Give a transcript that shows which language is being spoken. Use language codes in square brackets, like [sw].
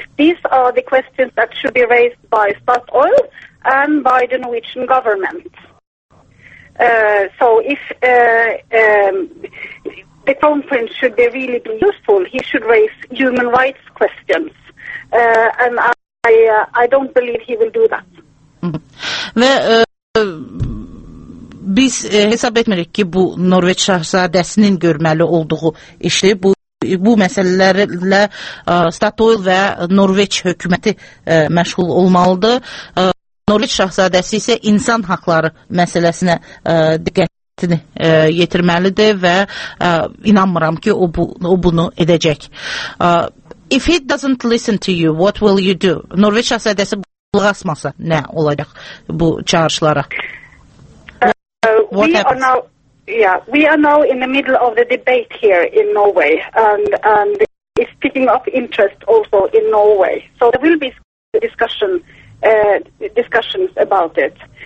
[en] These are the questions that should be raised by Statoil and by the Norwegian government. The Crown Prince should be really be useful, he should raise human rights questions. And I don't believe he will do that. [az] Və biz hesab etmirik ki, bu Norveç şahzadəsinin görməli olduğu işdir. Bu məsələlərlə Statoil və Norveç hökuməti məşğul olmalıdır. Norveç şahzadəsi isə insan haqları məsələsinə diqqətini yetirməlidir və inanmıram ki, o bunu edəcək. [en] If he doesn't listen to you, what will you do? [az] Norveç şahzadəsi qulaqasmasa nə olacaq bu çağırışlara? [en] We are now in the middle of the debate here in Norway and it's picking up interest also in Norway. So there will be discussions about it.